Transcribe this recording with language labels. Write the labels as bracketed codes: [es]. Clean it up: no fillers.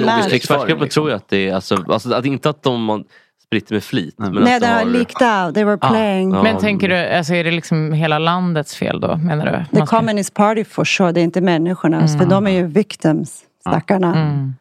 [sv] Expertgruppen tror jag att det är, alltså att inte att de spritt med flit. Nej, det har [en] leaked out, they were playing. [sv] Men tänker du, alltså är det liksom hela landets fel då, menar du? [en] The communist party for sure, [sv] det är inte människorna, för de är ju victims, stackarna.